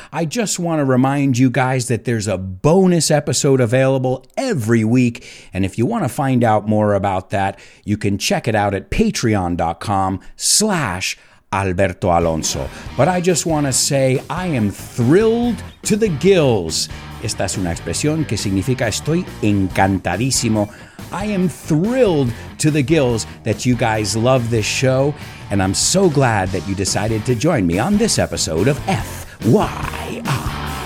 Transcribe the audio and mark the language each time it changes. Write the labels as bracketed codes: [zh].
[en] I just want to remind you guys that there's a bonus episode available every week. And if you want to find out more about that, you can check it out at patreon.com/Alberto Alonso. But I just want to say I am thrilled to the gills. [es] Esta es una expresión que significa estoy encantadísimo. [en] I am thrilled to the gills that you guys love this show, and I'm so glad that you decided to join me on this episode of FYI.